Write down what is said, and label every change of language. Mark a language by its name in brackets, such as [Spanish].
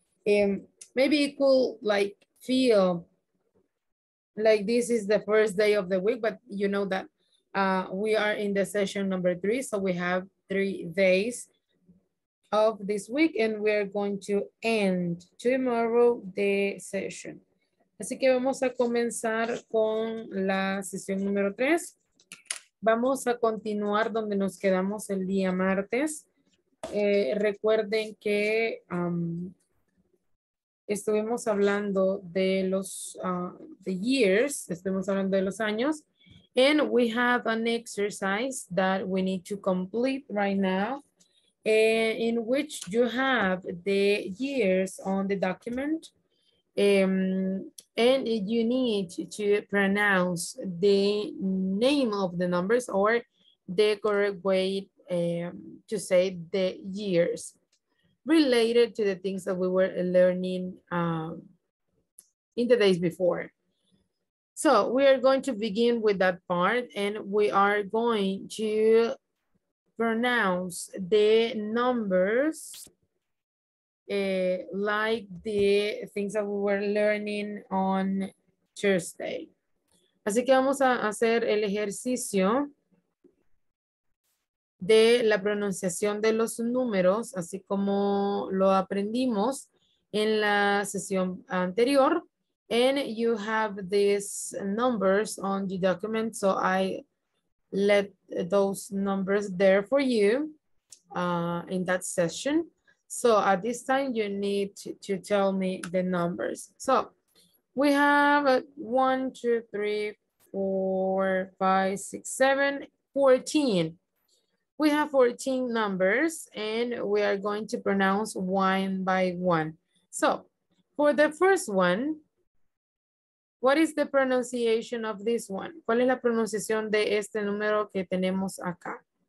[English] Maybe it could like feel like this is the first day of the week, but you know that we are in the session number 3, so we have 3 days of this week and we are going to end tomorrow the session. [Spanish] Así que vamos a comenzar con la sesión número 3. Vamos a continuar donde nos quedamos el día martes. Recuerden que estuvimos hablando de los [English] the years, [Spanish] estuvimos hablando de los años, [English] and we have an exercise that we need to complete right now, in which you have the years on the document, and you need to pronounce the name of the numbers or the correct way to say the years related to the things that we were learning in the days before. So we are going to begin with that part and we are going to pronounce the numbers like the things that we were learning on Thursday. [Spanish] Así que vamos a hacer el ejercicio de la pronunciación de los números, así como lo aprendimos en la sesión anterior. [English] And you have these numbers on the document, so I let those numbers there for you in that session. So at this time, you need to tell me the numbers. So we have 1, 2, 3, 4, 5, 6, 7, 14. We have 14 numbers and we are going to pronounce one by one. So for the first one, what is the pronunciation of this one? [Spanish] ¿Cuál es la pronunciación de este número que tenemos acá?